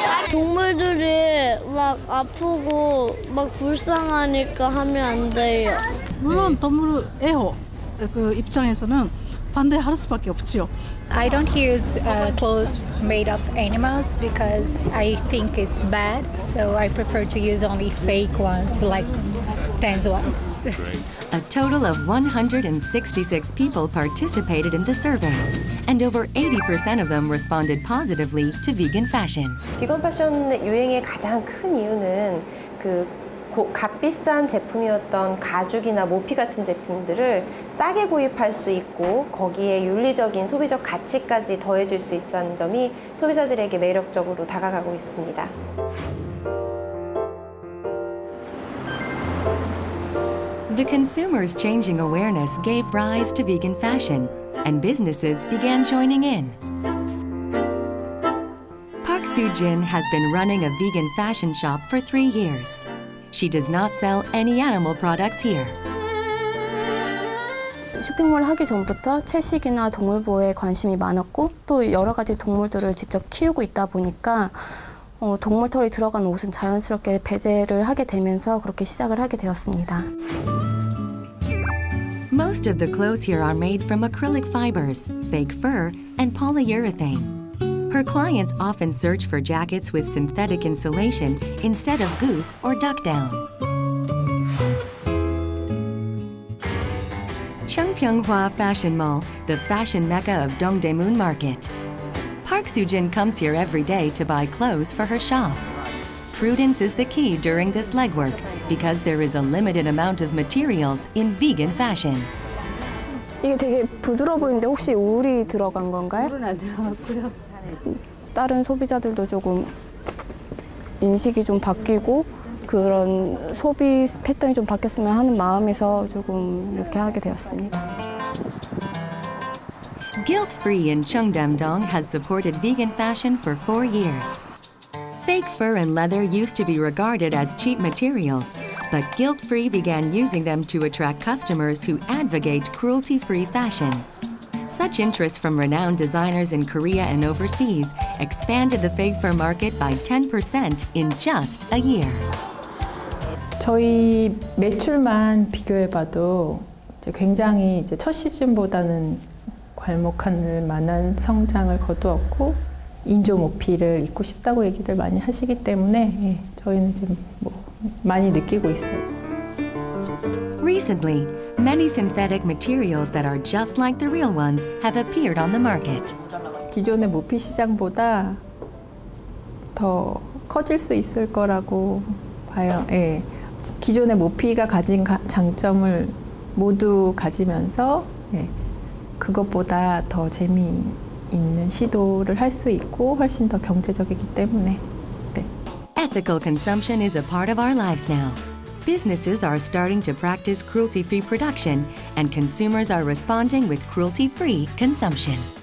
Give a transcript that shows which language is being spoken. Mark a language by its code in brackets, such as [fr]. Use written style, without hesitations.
[ko] 동물들이 막 아프고 막 불쌍하니까 하면 안 돼요. 물론 동물 애호 그 입장에서는 반대할 수밖에 없지요. [en] I don't use clothes made of animals because I think it's bad. So I prefer to use only fake ones like Thanks once. A total of 166 people participated in the survey, and over 80% of them responded positively to vegan fashion. [ko] Vegan fashion의 유행의 가장 큰 이유는 그 값비싼 제품이었던 가죽이나 모피 같은 제품들을 싸게 구입할 수 있고 거기에 윤리적인 소비적 가치까지 더해질 수 있다는 점이 소비자들에게 매력적으로 다가가고 있습니다. 소비자들의 [en] changing awareness gave rise to vegan fashion, and businesses began joining in. Park Soo-jin has been running a vegan fashion shop for 3 years. She does not sell any animal products here. [ko] 쇼핑몰 하기 전부터 채식이나 동물 보호에 관심이 많았고 또 여러 가지 동물들을 직접 키우고 있다 보니까 동물 털이 들어간 옷은 자연스럽게 배제를 하게 되면서 그렇게 시작을 하게 되었습니다. [en] Most of the clothes here are made from acrylic fibers, fake fur, and polyurethane. Her clients often search for jackets with synthetic insulation instead of goose or duck down. Cheongpyeonghwa Fashion Mall, the fashion mecca of Dongdaemun Market. Park Soo-jin comes here every day to buy clothes for her shop. Prudence is the key during this legwork because there is a limited amount of materials in vegan fashion. [ko] 이게 되게 부드러워 보이는데 혹시 울이 들어간 건가요? 울은 안 들어갔고요. 다른 소비자들도 조금 인식이 좀 바뀌고 그런 소비 패턴이 좀 바뀌었으면 하는 마음에서 조금 이렇게 하게 되었습니다. [en] Guilt-free in Cheongdaemdong has supported vegan fashion for 4 years. Fake fur and leather used to be regarded as cheap materials, but Guilt-free began using them to attract customers who advocate cruelty-free fashion. Such interest from renowned designers in Korea and overseas expanded the fake fur market by 10% in just a year. [ko] 저희 매출만 비교해봐도 굉장히 이제 첫 시즌보다는 괄목할 만한 성장을 거두었고 인조 모피를 입고 싶다고 얘기들 많이 하시기 때문에 저희는 지금 많이 느끼고 있어요. [en] Recently, many synthetic materials that are just like the real ones have appeared on the market. [ko] 기존의 모피 시장보다 더 커질 수 있을 거라고 봐요. 예. 기존의 모피가 가진 장점을 모두 가지면서 그것보다 더 재미있는 시도를 할 수 있고 훨씬 더 경제적이기 때문에. 네. [en] Ethical consumption is a part of our lives now. Businesses are starting to practice cruelty-free production, and consumers are responding with cruelty-free consumption.